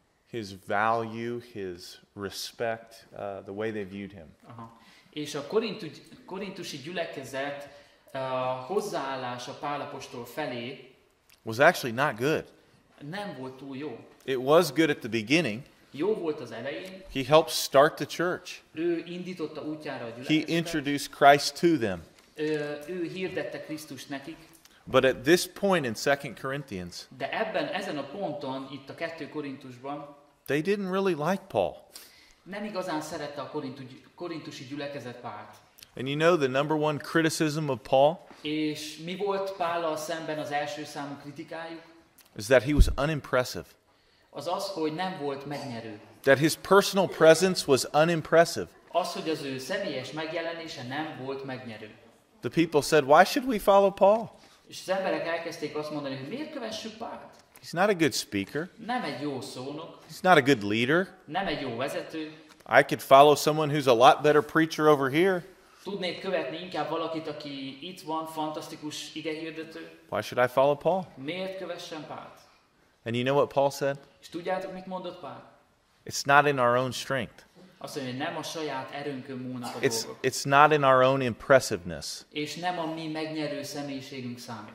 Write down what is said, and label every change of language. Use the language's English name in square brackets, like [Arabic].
[English] His value, his respect, the way they viewed him. Aha. [Hungarian] És a korintusi gyülekezet hozzáállása Pál apostol felé [English] was actually not good. [Hungarian] Nem volt túl jó. [English] It was good at the beginning. [Hungarian] Jó volt az elején. [English] He helped start the church. [Hungarian] Ő indította útjára a gyülekezetet. [English] He introduced Christ to them. [Hungarian] Ő hirdette Krisztust nekik. [English] But at this point in 2 Corinthians, [Hungarian] de ebben, ezen a ponton, itt a 2. Korintusban, [English] they didn't really like Paul. [Hungarian] Nem igazán szerette a korintusi gyülekezet Pált. [English] And you know the number one criticism of Paul? [Hungarian] És mi volt Pállal szemben az első számú kritikájuk? [English] Is that he was unimpressive. [Hungarian] Az, hogy nem volt megnyerő. [English] That his personal presence was unimpressive. [Hungarian] Az, hogy az ő személyes megjelenése nem volt megnyerő. [English] The people said, why should we follow Paul? [Hungarian] És az emberek elkezdték azt mondani, hogy miért kövessük Pált? [English] He's not a good speaker. [Hungarian] Nem egy jó szónok. [English] He's not a good leader. [Hungarian] Nem egy jó vezető. [English] I could follow someone who's a lot better preacher over here. [Hungarian] Tudnék követni inkább valakit, aki itt van, fantasztikus igehirdető. [English] Why should I follow Paul? [Hungarian] Miért kövessem Pált? [English] And you know what Paul said? [Hungarian] És tudjátok, mit mondott Pál? [English] It's not in our own strength. [Hungarian] Azt mondja, nem a saját erőnkön múlnak a dolgok. [English] It's not in our own impressiveness. [Hungarian] És nem a mi megnyerő személyiségünk számít.